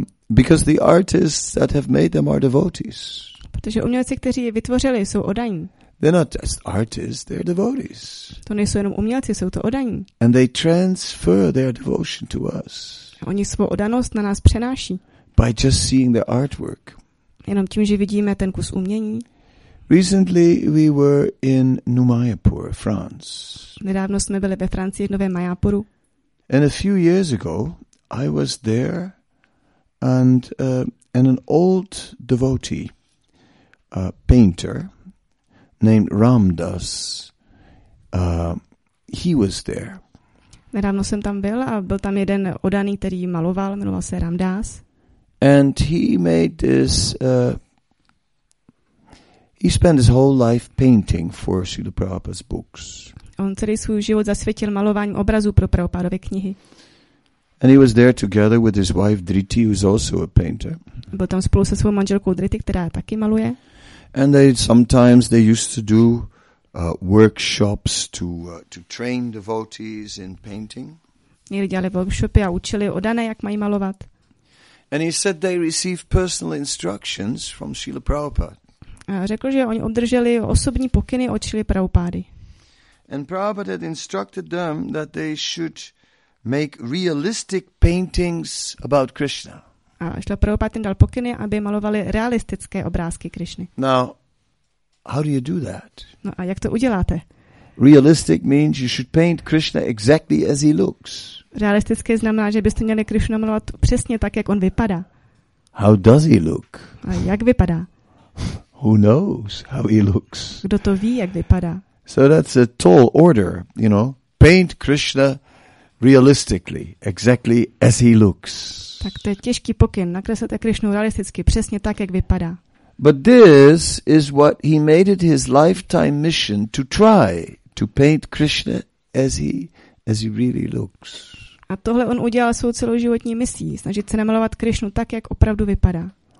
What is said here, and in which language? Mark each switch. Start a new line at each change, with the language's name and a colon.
English: Because the artists that have made them are devotees.
Czech: Protože umělci, kteří je vytvořili, jsou oddaní.
English: They're not just artists, they're devotees.
Czech: To nejsou jenom umělci, jsou to oddaní.
English: And they transfer their devotion to us.
Czech: Oni svou oddanost na nás přenáší.
English: By just seeing their artwork.
Czech: Jenom tím, že vidíme ten kus umění.
English: Recently we were in Noumaïpour, France.
Czech: Nedávno jsme byli ve Francii, v Novém Majáporu.
English: And a few years ago I was there and an old devotee, a painter named Ramdas, he was there.
Czech: Nedávno jsem tam byl a byl tam jeden oddaný, který maloval, jmenoval se Ramdas.
English: And he made this he spent his whole life painting for Srila Prabhupada's books.
Czech: On celý svůj život zasvětil malování obrazů pro Prabhupádovy knihy.
English: And he was there together with his wife Driti, who is also a painter.
Czech: Byl tam spolu se svou manželkou Driti, která taky maluje.
English: And they used to do workshops to train devotees in painting.
Czech: Někdy dělali workshopy a učili oddané, jak mají malovat.
English: And he said they received personal instructions from Srila Prabhupada.
Czech: A řekl, že oni obdrželi osobní pokyny od Srily Prabhupády.
English: And Prabhupada had instructed them that they should make realistic paintings about Krishna.
Czech: A Srila Prabhupáda jim dal pokyny, aby malovali realistické obrázky Krishny.
English: Now, how do you do that?
Czech: No a jak to uděláte?
English: Realistic means you should paint Krishna exactly as he looks.
Czech: Realistické znamená, že byste měli Krishnu malovat přesně tak, jak on vypadá.
English: How does he look?
Czech: A jak vypadá?
English: Who knows how he looks?
Czech: Kdo to ví, jak vypadá?
English: So that's a tall order, you know. Paint Krishna realistically, exactly as he looks.
Czech: Tak to je těžký pokyn, nakreslete Krishnu realisticky, přesně tak, jak vypadá.
English: But this is what he made it his lifetime mission to try to paint Krishna as he really looks.
Czech: A tohle on udělal svou celoživotní misí, snažit se namalovat Krishnu tak, jak opravdu vypadá.